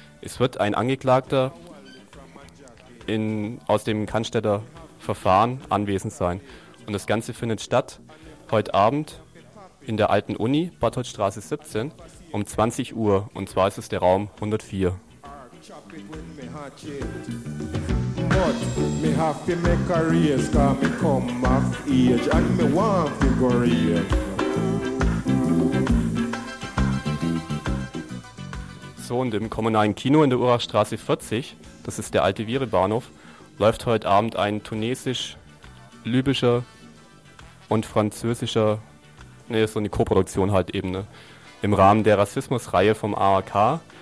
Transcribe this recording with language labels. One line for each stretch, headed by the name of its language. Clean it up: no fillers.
German: Es wird ein Angeklagter aus dem Cannstätter Verfahren anwesend sein. Und das Ganze findet statt heute Abend in der alten Uni, Bartholdstraße 17, um 20 Uhr. Und zwar ist es der Raum 104.
English: But me have to make a race, cause me come of age, and me want to go real.
German: So, und im kommunalen Kino in der Urachstraße 40, das ist der alte Vire-Bahnhof, läuft heute Abend ein tunesisch-libyscher und französischer, nee, so eine Koproduktion halt eben, ne, im Rahmen der Rassismusreihe vom ARK.